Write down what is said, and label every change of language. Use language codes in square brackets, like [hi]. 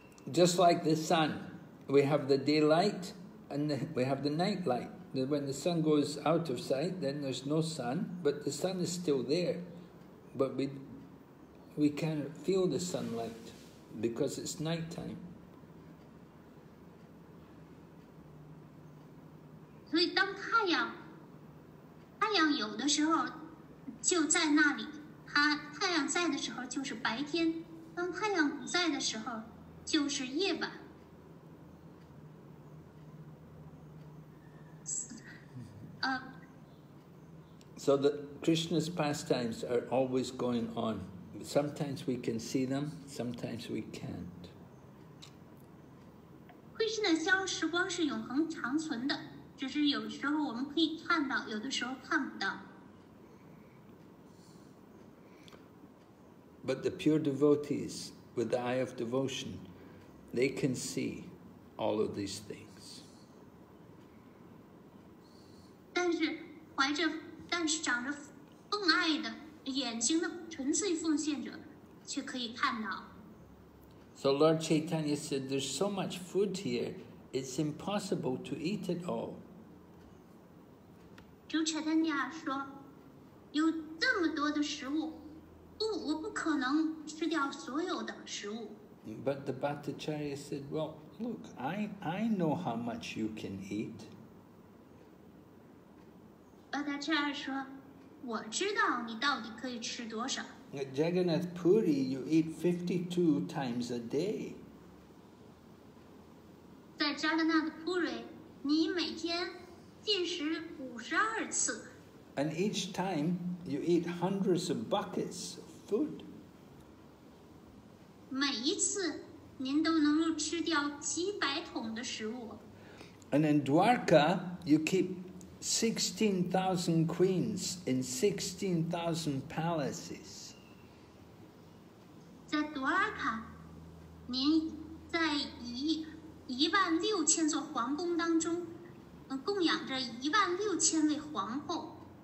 [en] Just like the sun, we have the daylight and we have the night light. When the sun goes out of sight, then there's no sun, but the sun is still there. But we can't feel the sunlight because it's nighttime. [zh] 所以当太阳有的时候就在那里，它太阳在的时候就是白天，当太阳不在的时候就是夜晚。 [en] So the Krishna's pastimes are always going on. Sometimes we can see them, sometimes we can't. [zh] Krishna 逍遥时光是永恒长存的，只是有时候我们可以看到，有的时候看不到。 [en] But the pure devotees, with the eye of devotion, they can see all of these things. [zh] 但是长着奉爱的眼睛的纯粹奉献者却可以看到。 [en] So Lord Chaitanya said, there's so much food here, it's impossible to eat it all. [zh] 主 Chaitanya 说，有这么多的食物，我不可能吃掉所有的食物。 [en] But the Bhattacharya said, well, look, I know how much you can eat. At Jagannath Puri, you eat 52 times a day. [zh] 在 Jagannath Puri, 你每天进食52次。 [en] And each time, you eat hundreds of buckets of food. [zh] 每一次您都能够吃掉几百桶的食物。 [en] And in Dwarka, you keep 16,000 queens in 16,000 palaces. [zh] 在 Dwarka, 您在16,000座皇宫当中供养着16,000位皇后。